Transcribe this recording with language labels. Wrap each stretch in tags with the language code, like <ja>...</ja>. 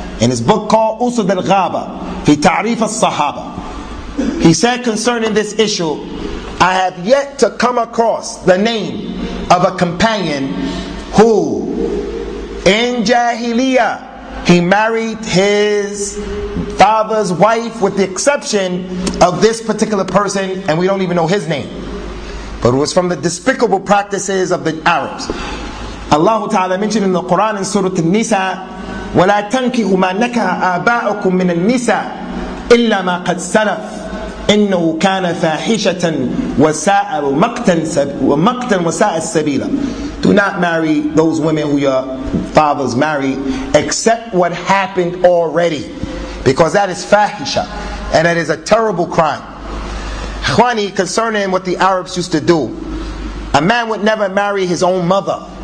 <en>In his book called Usud al-Ghaba, Fi Ta'rif al-Sahaba, he said concerning this issue, I have yet to come across the name of a companion who, in Jahiliyyah, he married his father's wife with the exception of this particular person, and we don't even know his name. But it was from the despicable practices of the Arabs. Allah Ta'ala mentioned in the Quran in Surah An-Nisa,</en> <ar>وَلَا تَنْكِهُ مَا نَكَهَ آبَاءُكُمْ مِنَ النِّسَاءِ إِلَّا مَا قَدْ سَلَفْ إِنَّهُ كَانَ فَاحِشَةً وَسَاءَ وَمَقْتًا وَسَاءَ السَّبِيلًا.</ar> <en>Do not marry those women who your fathers marry, except what happened already. Because that is fahisha, and that is a terrible crime. Khwani, concerning what the Arabs used to do, a man would never marry his own mother.</en>